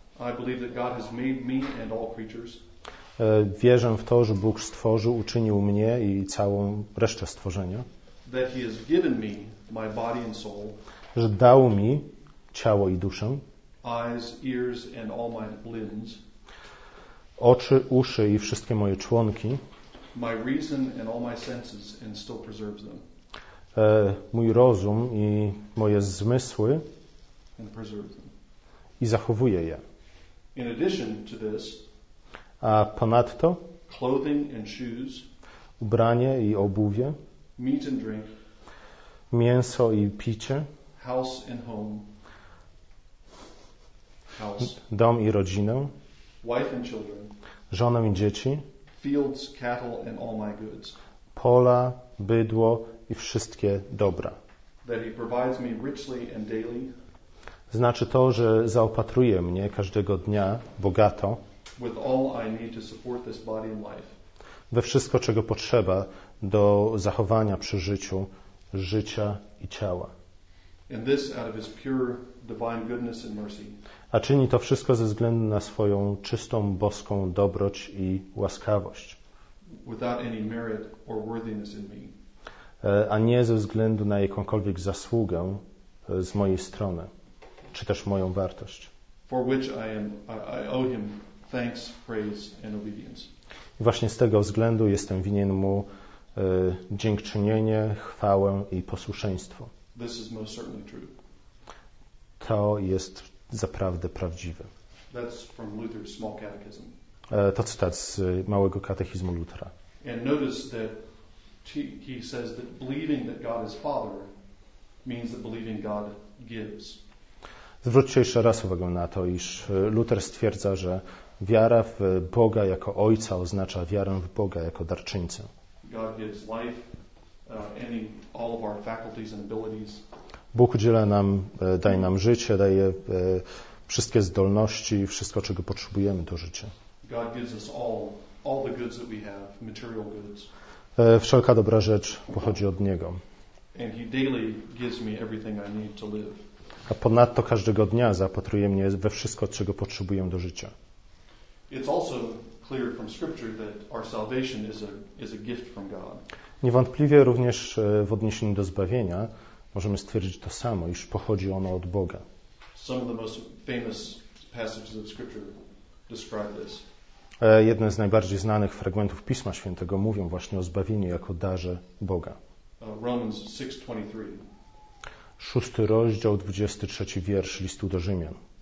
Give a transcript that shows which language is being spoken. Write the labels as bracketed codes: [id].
[en] I believe that God has made me and all creatures. [pl] Wierzę w to, że Bóg stworzył, uczynił mnie i całą resztę stworzenia. [en] That he has given me my body and soul. [pl] Że dał mi ciało i duszę, [en] eyes, ears, and all my limbs, [pl] oczy, uszy i wszystkie moje członki, [en] my reason and all my senses, and still preserves them. [pl] Mój rozum i moje zmysły [en] and preserves them. [pl] I zachowuje je. [en] In addition to this, [pl] a ponadto [en] clothing and shoes, [pl] ubranie i obuwie, [en] meat and drink, [pl] mięso i picie, [en] house and home, [pl] dom i rodzinę, [en] wife and children, [pl] żonę i dzieci, [en] fields, cattle and all my goods. [pl] Pola, bydło i wszystkie dobra. [en] That he provides me richly and daily. [pl] Znaczy to, że zaopatruje mnie każdego dnia bogato [en] with all I need to support this body and life. [pl] We wszystko, czego potrzeba do zachowania przy życiu życia i ciała. [en] And this out of his pure divine goodness and mercy. [pl] A czyni to wszystko ze względu na swoją czystą, boską dobroć i łaskawość. [en] Without any merit or worthiness in me. [pl] A nie ze względu na jakąkolwiek zasługę z mojej strony, czy też moją wartość. [en] For which I owe him thanks, praise and obedience. [pl] I właśnie z tego względu jestem winien mu dziękczynienie, chwałę i posłuszeństwo. [en] This is most certainly true. [pl] To jest zaprawdę prawdziwe. [en] That's from Luther's small catechism. [pl] To cytat z małego katechizmu Lutra. [en] And notice that he says that believing that God is Father means that believing God gives. [pl] Zwróćcie jeszcze raz uwagę na to, iż Luther stwierdza, że wiara w Boga jako Ojca oznacza wiarę w Boga jako darczyńcę. [en] God gives life, any, all of our faculties and abilities. [pl] Bóg udziela nam, daje nam życie, daje wszystkie zdolności, wszystko, czego potrzebujemy do życia. [en] God gives us all the goods that we have, material goods. [pl] Wszelka dobra rzecz pochodzi od Niego. [en] And he daily gives me everything I need to live. [pl] A ponadto każdego dnia zaopatruje mnie we wszystko, czego potrzebuję do życia. [en] It's also clear from scripture that our salvation is a gift from God. [pl] Niewątpliwie również w odniesieniu do zbawienia możemy stwierdzić to samo, iż pochodzi ono od Boga. [en] Some of the most famous passages of scripture describe this. [pl] Jedne z najbardziej znanych fragmentów Pisma Świętego mówią właśnie o zbawieniu jako darze Boga. [en] Romans 6:23. [pl] Szósty rozdział, 23 wiersz listu do Rzymian.